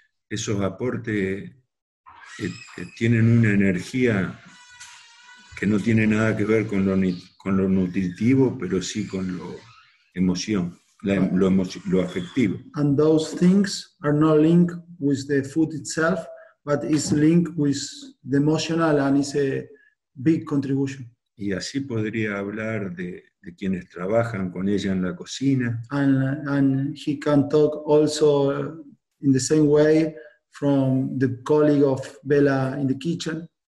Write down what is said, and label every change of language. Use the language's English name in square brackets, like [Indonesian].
[Spanish] Esos aportes tienen una energía que no tiene nada que ver con lo nutritivo, pero sí con lo emoción, lo afectivo. [English] And those things are not linked with the food itself, but it's linked with the emotional, and it's a big contribution. [Spanish] Y así podría hablar de quienes trabajan con ella en la cocina. [English] And he can talk also in the same way from the colleague of Bella in the kitchen.